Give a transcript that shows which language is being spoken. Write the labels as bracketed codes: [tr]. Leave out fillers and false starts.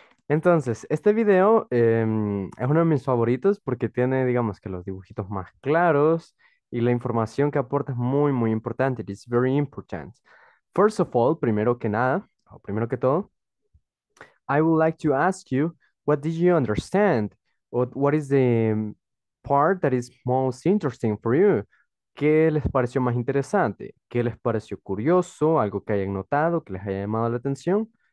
[es] Entonces, este video es uno de mis favoritos porque tiene, digamos, que los dibujitos más claros y la información que aporta es muy, muy importante. [en] It's very important. First of all, [es] primero que nada, o primero que todo, [en] I would like to ask you, what did you understand? What is the part that is most interesting for you? [es] ¿Qué les pareció más interesante? ¿Qué les pareció curioso? ¿Algo que hayan notado, que les haya llamado la atención?